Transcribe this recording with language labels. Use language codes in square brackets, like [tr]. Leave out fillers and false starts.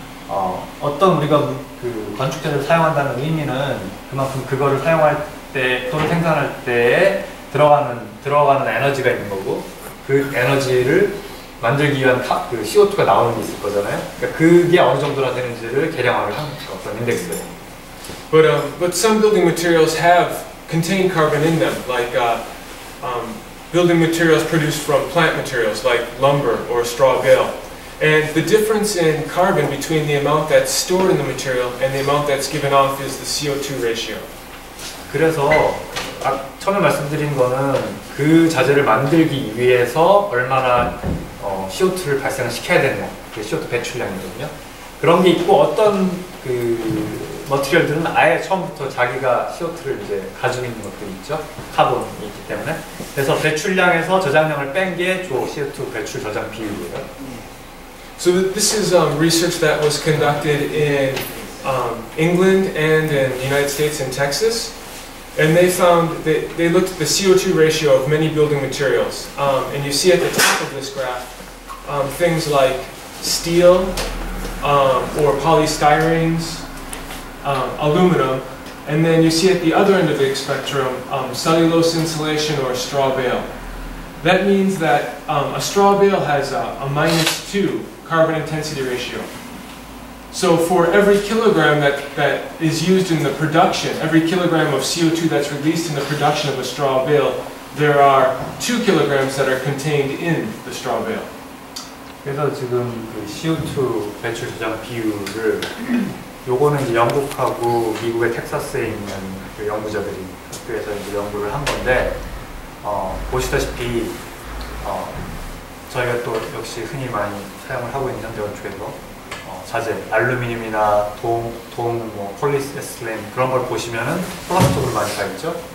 [ko] 어떤 우리가 그 건축재를 사용한다는 의미는 그만큼 그거를 사용할 때 또는 생산할 때 들어가는 에너지가 있는 거고 그 에너지를 만들기 위한 그 CO2가 나오는 게 있을 거잖아요. 그러니까 그게 어느 정도나 되는지를 계량화를 하는 거죠. 어떤 인덱스. [en] But some building materials have contained carbon in them, like building materials produced from plant materials like lumber or straw bale. And the difference in carbon between the amount that's stored in the material and the amount that's given off is the CO2 ratio. [ko] 그래서 처음에 말씀드린 거는 그 자재를 만들기 위해서 얼마나 CO2를 발생시켜야 되는 그 CO2 배출량이거든요. 그런 게 있고 어떤 그 머티리얼들은 아예 처음부터 자기가 CO2를 이제 가지고 있는 것들이 있죠. 카본이 있기 때문에. 그래서 배출량에서 저장량을 뺀 게 주 CO2 배출 저장 비율이에요. [en] So this is research that was conducted in England and in the United States and Texas. And they found that they looked at the CO2 ratio of many building materials. And you see at the top of this graph things like steel or polystyrenes, aluminum, and then you see at the other end of the spectrum cellulose insulation or straw bale. That means that a straw bale has a -2 carbon intensity ratio. So for every kilogram that is used in the production, every kilogram of CO2 that's released in the production of a straw bale, there are 2 kilograms that are contained in the straw bale. [ko] 그래서 지금 그 CO2 배출 저장 비율을 요거는 이제 영국하고 미국의 텍사스에 있는 그 연구자들이 학교에서 이제 연구를 한 건데 보시다시피 저희가 또 역시 흔히 많이 사용을 하고 있는 현대건축에서 자재, 알루미늄이나 뭐 폴리에스틸렌 그런 걸 보시면은 플라스틱으로 많이 가 있죠.